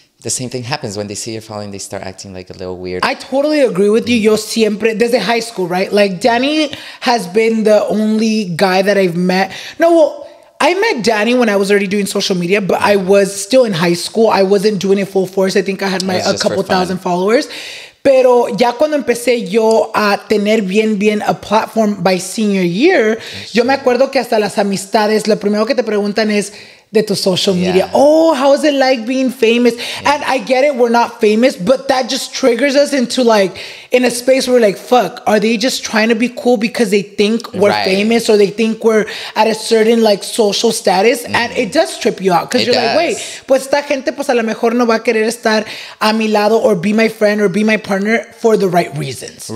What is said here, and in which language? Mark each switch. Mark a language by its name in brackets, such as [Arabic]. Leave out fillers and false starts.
[English] The same thing happens when they see you're following, they start acting like a little weird. I totally agree with you. [Spanish] Yo siempre, desde [English] high school, right? Like, Danny has been the only guy that I've met. No, well, I met Danny when I was already doing social media, but I was still in high school. I wasn't doing it full force. I think I had a couple thousand followers. [Spanish] Pero ya cuando empecé yo a tener bien, bien [English] a platform by senior year, [Spanish] yo me acuerdo que hasta las amistades, lo primero que te preguntan es, de tu social media. [English] Oh, how is it like being famous? Yeah. And I get it, we're not famous, but that just triggers us into like, in a space where we're like, fuck, are they just trying to be cool because they think we're famous or they think we're at a certain like social status? Mm-hmm. And it does trip you out because you're like, wait, [Spanish] pues esta gente pues a lo mejor no va a querer estar a mi lado [English] or be my friend or be my partner for the right reasons.